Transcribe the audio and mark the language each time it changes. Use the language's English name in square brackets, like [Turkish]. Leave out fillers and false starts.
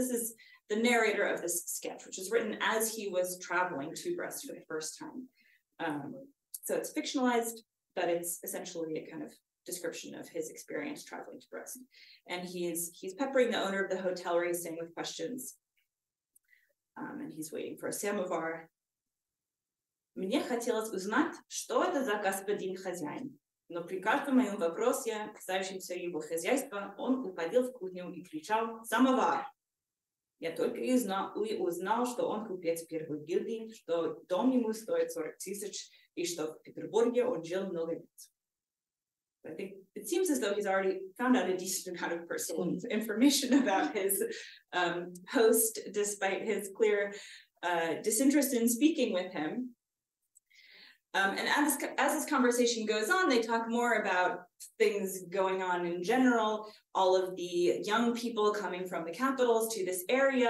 [English] This is the narrator of this sketch, which is written as he was traveling to Brest for the first time. So it's fictionalized, but it's essentially a kind of description of his experience traveling to Brest. And he's peppering the owner of the hotel where he's staying with questions. And he's waiting for a samovar. [Russian] Мне хотелось узнать, что это за господин хозяин. Но при каждом моем вопросе, касающемся его хозяйства, он уходил в кухню и кричал «Самовар!» Я только и знал, и узнал, что он купец первой гильдии, что дом ему стоит 40 тысяч, и что в Петербурге он жил много лет. [English] I think it seems as though he's already found out a decent amount of personal information about his host, despite his clear disinterest in speaking with him. And as this conversation goes on, they talk more about things going on in general, all of the young people coming from the capitals to this area.